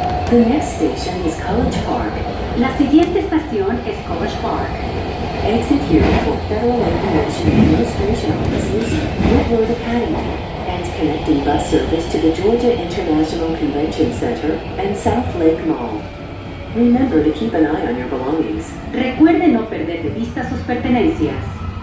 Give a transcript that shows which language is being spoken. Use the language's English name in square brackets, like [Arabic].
[English] The next station is College Park. [Spanish] La siguiente estación es College Park. [English] Exit here for Federal Information Administration offices, Woodward Academy, and connecting bus service to the Georgia International Convention Center and South Lake Mall. Remember to keep an eye on your belongings. [Spanish] Recuerde no perder de vista sus pertenencias.